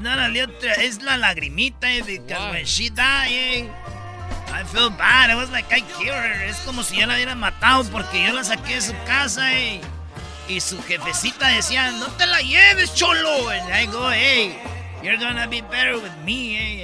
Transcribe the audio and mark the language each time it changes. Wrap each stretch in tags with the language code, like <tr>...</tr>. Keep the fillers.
<en>not a little, it's</en> <es>la lagrimita,</es> <en>because wow. when she died I feel bad. It was like I killed her.</en> <es>Es como si yo la hubiera matado porque yo la saqué de su casa, eh. Y su jefecita decía, no te la lleves, cholo.</es> <en>And I go, hey, you're gonna be better with me, hey.</en>